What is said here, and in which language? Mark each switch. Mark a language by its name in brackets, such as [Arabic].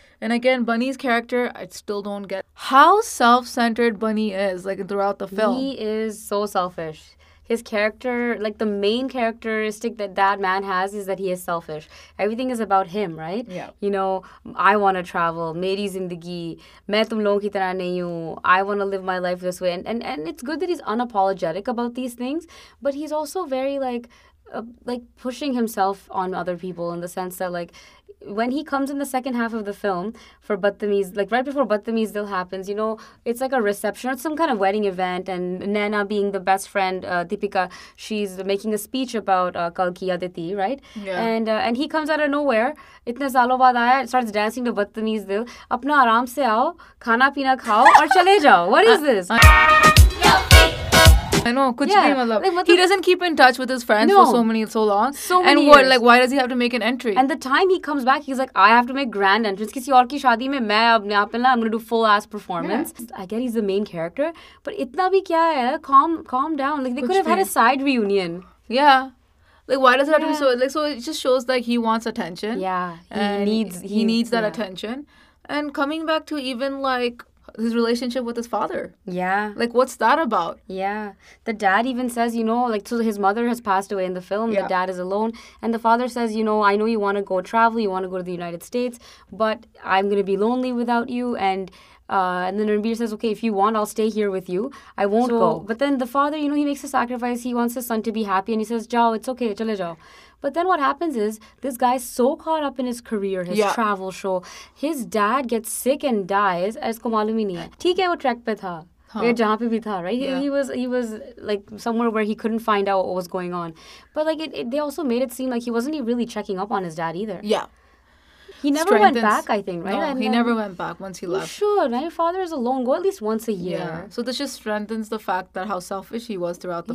[English] And again, Bunny's character, I still don't get how self-centered Bunny is, like, throughout the film. He is so selfish. His character, like, the main characteristic that man has is that he is selfish. Everything is about him, right? Yeah. You know, I want to travel. [Hindi] मेरी ज़िंदगी. मैं तुम लोगों की तरह नहीं हूँ. [English] I want to live my life this way. And it's good that he's unapologetic about these things, but he's also very, like pushing himself on other people in the sense that, like, when he comes in the second half of the film for Badtameez, like right before Badtameez Dil happens, you know, it's like a reception or some kind of wedding event, and Naina being the best friend, Deepika, she's making a speech about Kalki Aditi, right? Yeah. And he comes out of nowhere, [Hindi] itne saalon baad aaya, [English] starts dancing to Badtameez Dil, [Hindi] apna aaram se aao, khana peena khao, aur chale jao. [English] What is this? I know, he doesn't keep in touch with his friends for so long. So many and what, years. Like, why does he have to make an entry? And the time he comes back, he's like, I have to make grand entrance. [Hindi] किसी और की शादी में मैं अपने आप ना, [English] I'm going to do full-ass performance. Yeah. I get he's the main character, but [Hindi] इतना भी क्या है, [English] calm down. Like, they could have had a side reunion. Yeah. Like, why does it have to be so, like, so it just shows, like, he wants attention. Yeah. He needs that attention. And coming back to even, like, his relationship with his father. Yeah. Like, what's that about? Yeah. The dad even says, you know, like, so his mother has passed away in the film. Yeah. The dad is alone. And the father says, you know, I know you want to go travel. You want to go to the United States. But I'm going to be lonely without you. And then Ranbir says, okay, if you want, I'll stay here with you. I won't go. But then the father, you know, he makes a sacrifice. He wants his son to be happy. And he says, [Hindi] jao, [English] it's okay. [Hindi] Chale jao. [English] But then what happens is, this guy's so caught up in his career, his travel show. His dad gets sick and dies. [Hindi] इसको मालूम ही नहीं है. ठीक है, वो track पे था. ये जहाँ पे भी था, [English] right? Yeah. He was like somewhere where he couldn't find out what was going on. But like they also made it seem like he wasn't really checking up on his dad either. Yeah. He never went back, I think, right? No, and he never went back once he left. Sure, my father is alone. Go at least once a year. Yeah. So this just strengthens the fact that how selfish he was throughout the